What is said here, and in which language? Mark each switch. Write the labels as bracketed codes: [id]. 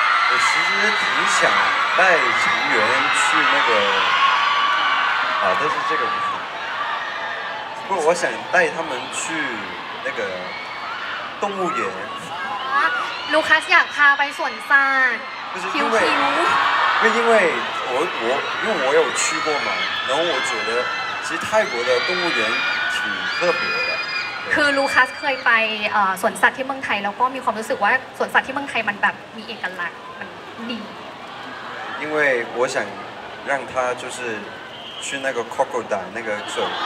[zh] 我其实挺想带成员去那个啊，但是这个不好。不过我想带他们去那个动物园。啊，卢卡斯想他 [th] ไปสวนสัต ว์。 [zh] 不是因为，因为我有去过嘛，然后我觉得其实泰国的动物园挺特别的。 [th] คือลูคัสเคยไปสวนสัตว์ที่เมืองไทยแล้วก็มีความรู้สึกว่าสวนสัตว์ที่เมืองไทยมันแบบมีเอกลักษณ์มันดี [zh] 因为我想让他就是去那个 crocodile 那个走